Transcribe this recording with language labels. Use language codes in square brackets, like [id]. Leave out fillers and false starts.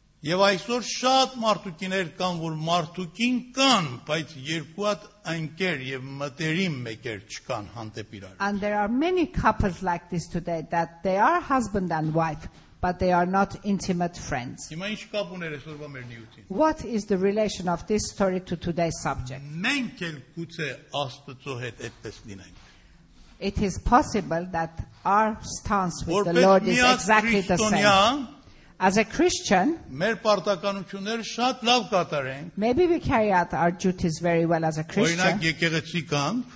[hy] Եվ այսօր շատ մարդուկիներ կան, որ մարդուկին կան, բայց երկու հատ ընկեր եւ մտերիմ մեկեր չկան հանդեպ իրար։ [en] And there are many couples like this today that they are husband and wife, but they are not intimate friends. [hy] Հիմա ինչ կապ ուներ այսօրվա մեր նյութին։ [en] What is the relation of this story to today's subject? [hy] Մենք էլ գուցե Աստծո հետ այդպես լինենք։ [en] It is possible that our stance with the Lord is exactly the same. As a Christian, maybe we carry out our duties very well as a Christian.